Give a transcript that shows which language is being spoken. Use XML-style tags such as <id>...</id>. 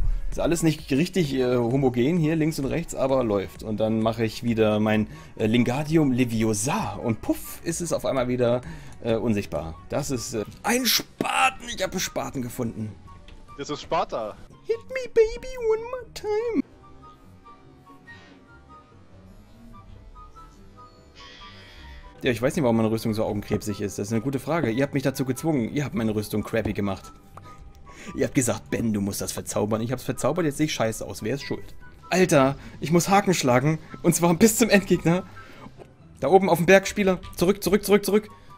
<de>Ist alles nicht richtig homogen hier, links und rechts, aber läuft. Und dann mache ich wieder mein Lingardium Leviosa und puff, ist es auf einmal wieder unsichtbar. Das ist ein Spaten, ich habe Spaten gefunden. Das ist Sparta.</de> <en>Hit me baby one more time.</en> <de>Ja, ich weiß nicht, warum meine Rüstung so augenkrebsig ist. Das ist eine gute Frage. Ihr habt mich dazu gezwungen, ihr habt meine Rüstung crappy gemacht. Ihr habt gesagt, Ben, du musst das verzaubern. Ich hab's verzaubert, jetzt sehe ich scheiße aus. Wer ist schuld? Alter, ich muss Haken schlagen. Und zwar bis zum Endgegner. Da oben auf dem Berg, Spieler. Zurück, zurück, zurück, zurück.</de>